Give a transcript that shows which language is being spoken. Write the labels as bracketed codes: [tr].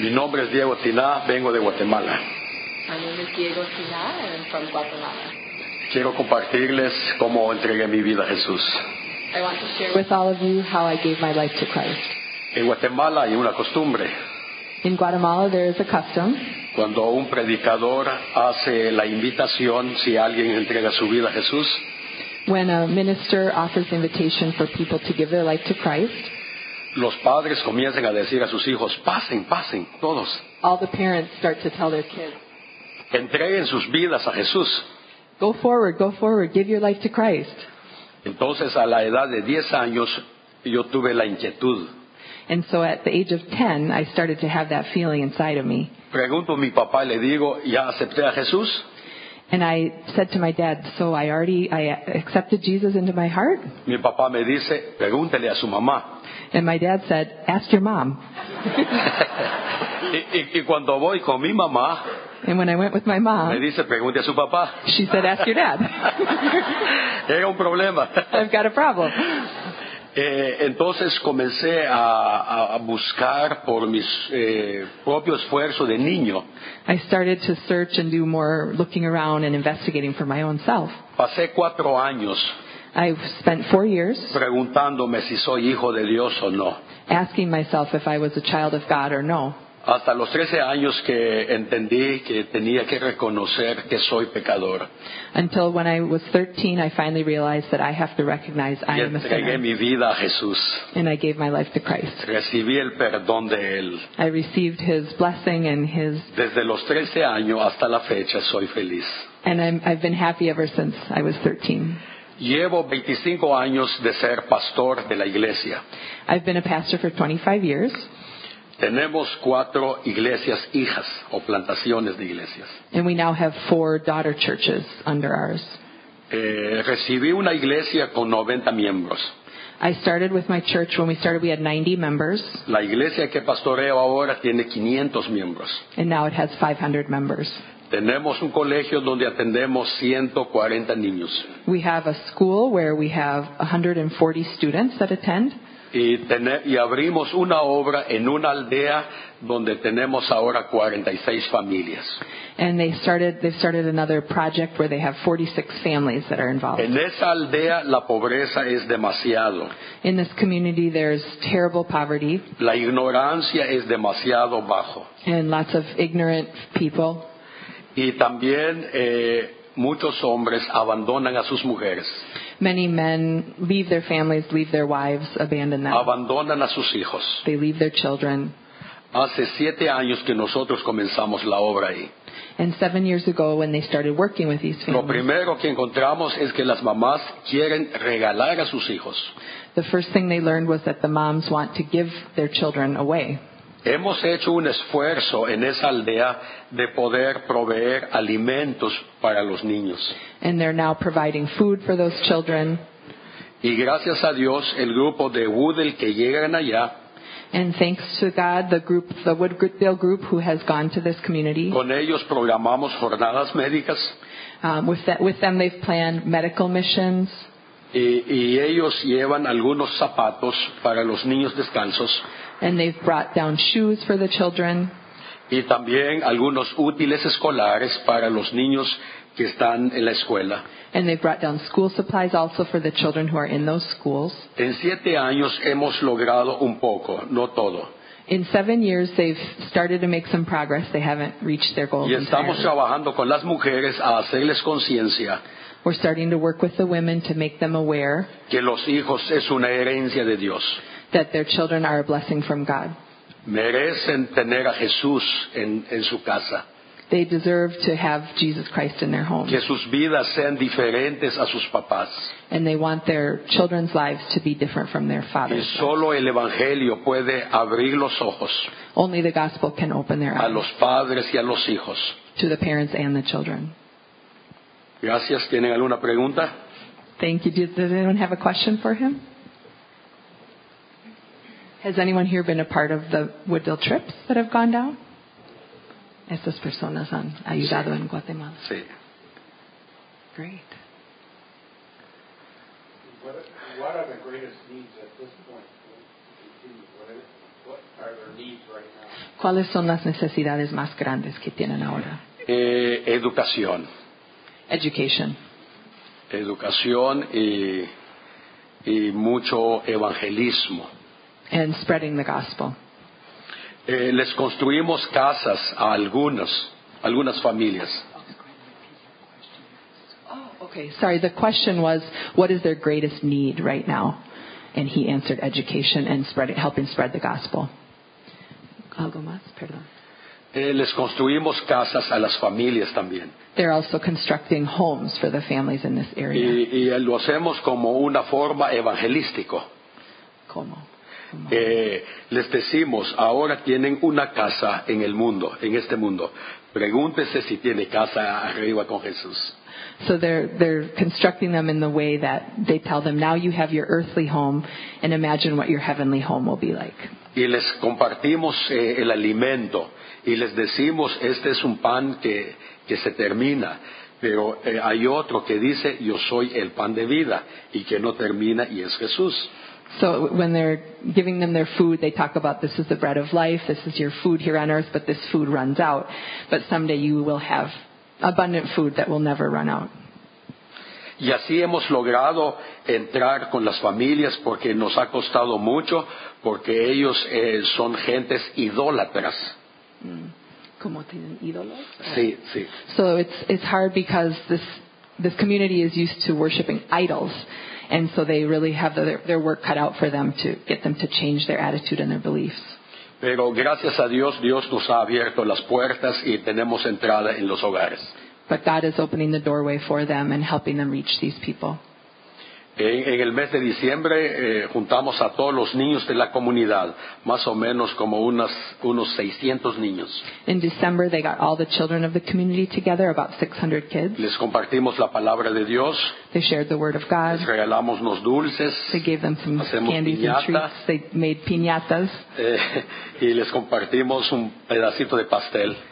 [es] Mi nombre es Diego Tiná, vengo de Guatemala. [en] My name is Diego Tiná, and I'm from Guatemala. [es] Quiero compartirles cómo entregué mi vida a Jesús. [en] I want to share with all of you how I gave my life to Christ. [es] En Guatemala hay una costumbre. [en] In Guatemala, there is a custom. [es] Cuando un predicador hace la invitación, si alguien entrega su vida a Jesús. [en] When a minister offers invitation for people to give their life to Christ. [es] Los padres comienzan a decir a sus hijos, pasen, pasen, todos. [en] All the parents start to tell their kids. [es] Entreguen sus vidas a Jesús. [en] Go forward, go forward, give your life to Christ. [es] Entonces, a la edad de 10 años, yo tuve la inquietud. [en] And so at the age of 10, I started to have that feeling inside of me. [es] Pregunto a mi papá y le digo, ¿ya acepté a Jesús? [en] And I said to my dad, so I accepted Jesus into my heart? [es] Mi papá me dice, pregúntele a su mamá. [en] And my dad said, ask your mom. [es] y cuando voy con mi mamá, [en] and when I went with my mom, [es] me dice, pregúntele a su papá. [en] She said, ask your dad. [es] Era un problema. [en] I've got a problem. [es] Entonces comencé a buscar por mis propio esfuerzo de niño. [en] I started to search and do more looking around and investigating for my own self. [es] Pasé 4 años. [en] I spent 4 years [es] preguntándome si soy hijo de Dios o no. [en] Asking myself if I was a child of God or no. [es] Hasta los 13 años que entendí que tenía que reconocer que soy pecador. [en] Until when I was 13, I finally realized that I have to recognize I am a sinner. [es] Y entregué mi vida a Jesús. [en] And I gave my life to Christ. [es] Recibí el perdón de Él. [en] I received His blessing and His... [es] Desde los 13 años hasta la fecha soy feliz. [en] And I've been happy ever since I was 13. [es] Llevo 25 años de ser pastor de la iglesia. [en] I've been a pastor for 25 years. [es] Tenemos 4 iglesias hijas o plantaciones de iglesias. [en] And we now have 4 daughter churches under ours. [es] Recibí una iglesia con 90 miembros. [en] I started with my church when we started we had 90 members. [es] La iglesia que pastoreo ahora tiene 500 miembros. [en] And now it has 500 members. [es] Tenemos un colegio donde atendemos 140 niños. [en] We have a school where we have 140 students that attend. [es] Y abrimos una obra en una aldea donde tenemos ahora 46 familias. [en] And they started another project where they have 46 families that are involved. [es] En esa aldea la pobreza es demasiado. [en] In this community there's terrible poverty. [es] La ignorancia es demasiado bajo. [en] And lots of ignorant people. [es] Y también muchos hombres abandonan a sus mujeres. [en] Many men leave their families, leave their wives, abandon them. [es] Abandonan a sus hijos. [en] They leave their children. [es] Hace 7 años que nosotros comenzamos la obra ahí. [en] And 7 years ago when they started working with these families. [es] Lo primero que encontramos es que las mamás quieren regalar a sus hijos. [en] The first thing they learned was that the moms want to give their children away. [es] Hemos hecho un esfuerzo en esa aldea de poder proveer alimentos para los niños. [en] And they're now providing food for those children. [es] Y gracias a Dios, el grupo de Woodell que llegan allá. [en] And thanks to God, the Woodell group who has gone to this community. [es] Con ellos programamos jornadas médicas. [en] With them they've planned medical missions. [es] Y ellos llevan algunos zapatos para los niños descalzos. [en] And they've brought down shoes for the children. [es] Y también algunos útiles escolares para los niños que están en la escuela. [en] And they've brought down school supplies also for the children who are in those schools. [es] En 7 años hemos logrado un poco, no todo. [en] In 7 years, they've started to make some progress. They haven't reached their goals. [es] Y estamos trabajando con las mujeres a hacerles conciencia. [en] We're starting to work with the women to make them aware [es] que los hijos es una herencia de Dios. [en] That their children are a blessing from God. [es] Merecen tener a Jesús en su casa. [en] they deserve to have Jesus Christ in their home. [es] Que sus vidas sean diferentes a sus papás. [en] And they want their children's lives to be different from their father's. [es] Y solo el evangelio puede abrir los ojos. [en] Only the gospel can open their eyes. [es] A los padres y a los hijos. [en] To the parents and the children. [es] Gracias. ¿Tienen alguna pregunta? [en] Thank you. Does anyone have a question for him? Has anyone here been a part of the Woodville trips that have gone down? [es] Estas personas han ayudado en Guatemala. Sí. [en] Great. What are the greatest needs at this point to continue? What are their needs right now? [es] ¿Cuáles son las necesidades más grandes que tienen ahora? Educación. [en] Education. [es] Educación y mucho evangelismo. [en] And spreading the gospel. [es] Les construimos casas a algunas familias. [en] Oh, okay. Sorry, the question was, what is their greatest need right now? And he answered education and helping spread the gospel. [es] ¿Algo más? Perdón. Les construimos casas a las familias también. [en] They're also constructing homes for the families in this area. [es] Y lo hacemos como una forma evangelística. ¿Cómo? Les decimos, ahora tienen una casa en el mundo, en este mundo. Pregúntese si tiene casa arriba con Jesús. [en] So they're constructing them in the way that they tell them, now you have your earthly home, and imagine what your heavenly home will be like. [es] Y les compartimos el alimento, y les decimos, este es un pan que se termina, pero hay otro que dice, yo soy el pan de vida, y que no termina, y es Jesús. [en] So when they're giving them their food, they talk about this is the bread of life, this is your food here on earth, but this food runs out. But someday you will have abundant food that will never run out. [es] Y así hemos logrado entrar con las familias porque nos ha costado mucho, porque ellos son gentes idólatras. ¿Cómo tienen ídolos? Sí, sí. [en] So it's hard because this community is used to worshiping idols. And so they really have their work cut out for them to get them to change their attitude and their beliefs. [es] Pero gracias a Dios, Dios nos ha abierto las puertas y tenemos entrada en los hogares. [en] But God is opening the doorway for them and helping them reach these people. [es] En el mes de diciembre juntamos a todos los niños de la comunidad, más o menos como unos 600 niños. [en] In December they got all the children of the community together, about 600 kids. [es] Les compartimos la palabra de Dios. [en] They shared the word of God. [es] Les regalamos unos dulces. [en] They gave them some [es] hacemos [en] candies [es] piñata. [en] And treats. They made piñatas. [es] Y les compartimos un pedacito de pastel.